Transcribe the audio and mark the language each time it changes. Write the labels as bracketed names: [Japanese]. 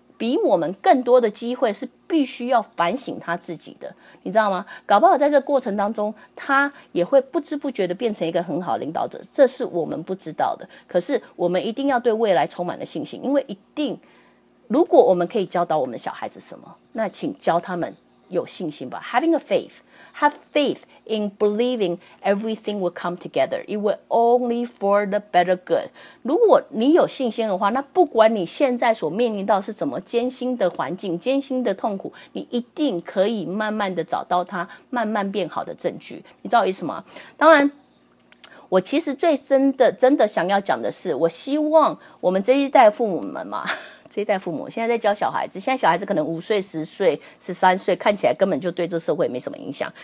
[Chinese] 比我们更多的机会是必须要反省他自己的，你知道吗？搞不好在这个过程当中，他也会不知不觉的变成一个很好的领导者，这是我们不知道的。可是我们一定要对未来充满了信心，因为一定，如果我们可以教导我们小孩子什么，那请教他们有信心吧。 [English] Having a faith, have faith in believing everything will come together. It will only for the better good. [Chinese] 如果你有信心的话，那不管你现在所面临到是什么艰辛的环境，艰辛的痛苦，你一定可以慢慢的找到它慢慢变好的证据。你知道意思吗？当然，我其实最真的想要讲的是，我希望我们这一代父母们嘛，这一代父母现在在教小孩子，现在小孩子可能5岁、10岁、13岁，看起来根本就对这社会没什么影响。